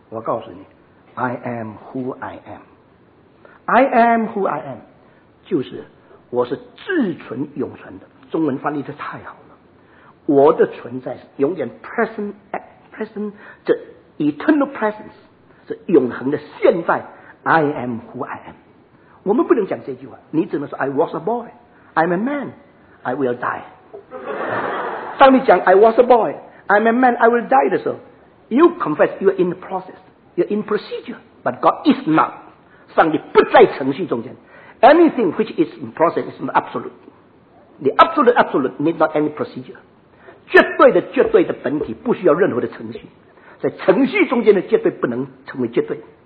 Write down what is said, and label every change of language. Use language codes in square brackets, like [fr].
[zh] 我告诉你， [en] I am who I am, I am who I am, [zh] 就是我是至存永存的。中文翻译的太好了，我的存在是永远 present， 这 eternal presence 是永恒的现在。 [en] I am who I am。 [zh] 我们不能讲这句话，你只能说 [en] I was a boy, I'm a man, I will die。 [zh] 当你讲 [en] I was a boy, I'm a man, I will die [zh] 的时候 [en] ，you confess you are in the process, you're in procedure, but God is not。 [zh] 上帝不在程序中间。 [en] Anything which is in process is not absolute. The absolute absolute need not any procedure. [zh] 绝对的绝对的本体不需要任何的程序。在程序中间的绝对不能成为绝对。